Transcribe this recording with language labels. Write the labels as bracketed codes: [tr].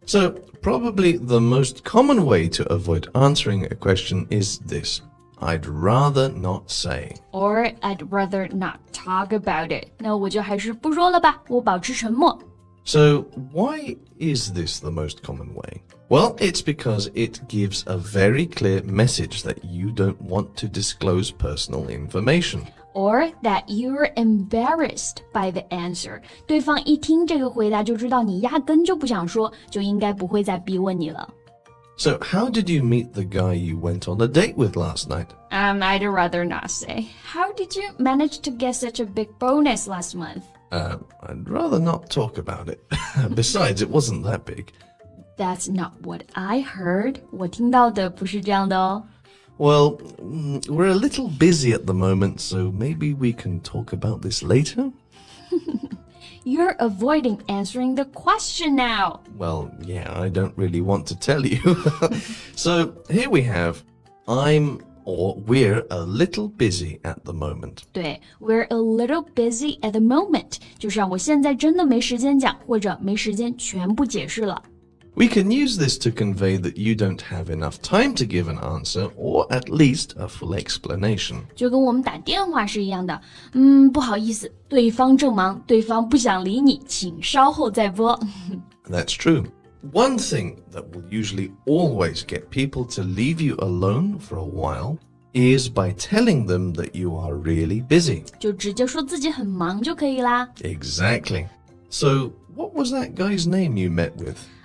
[en] So, probably the most common way to avoid answering a question is this. I'd rather not say. Or I'd rather not talk about it. [zh] 那我就还是不说了吧，我保持沉默。 [en] So, why is this the most common way? Well, it's because it gives a very clear message that you don't want to disclose personal information. Or that you're embarrassed by the answer. [zh] 对方一听这个回答就知道你压根就不想说，就应该不会再逼问你了。 [en] So, how did you meet the guy you went on a date with last night? I'd rather not say. How did you manage to get such a big bonus last month? I'd rather not talk about it. Besides, it wasn't that big. That's not what I heard. [zh] 我听到的不是这样的哦。 [en] Well, we're a little busy at the moment, so maybe we can talk about this later? You're avoiding answering the question now. Well, yeah, I don't really want to tell you. So, here we have, I'm or we're a little busy at the moment. 对 we're a little busy at the moment. [zh] 就是让我现在真的没时间讲或者没时间全部解释了。 [en] We can use this to convey that you don't have enough time to give an answer or at least a full explanation. [zh] 就跟我们打电话是一样的。不好意思，对方正忙，对方不想理你，请稍后再拨。 [en] That's true. One thing that will usually always get people to leave you alone for a while is by telling them that you are really busy. [zh] 就直接说自己很忙就可以啦。 [en] Exactly. So, what was that guy's name you met with?